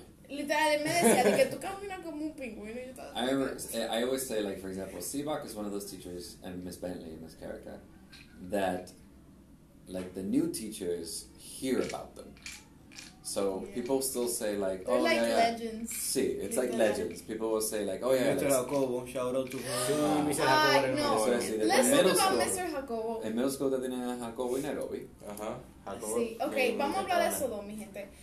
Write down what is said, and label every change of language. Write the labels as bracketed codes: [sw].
[es] Literally, me decía de que tú caminas como un pingüino. [en] I always say, like, for example, Seabog is one of those teachers, and Miss Bentley, Miss Carica, that, like, the new teachers hear about them. So people still say like, they're oh like yeah, legends. Yeah. See, it's like legends. People will say like, oh yeah. Mr. Jacobo, shout out to him. Let's talk about Mr. Jacobo. In middle school, they didn't have Jacobo in Nairobi. [es] Okay, vamos a hablar de eso, mi gente.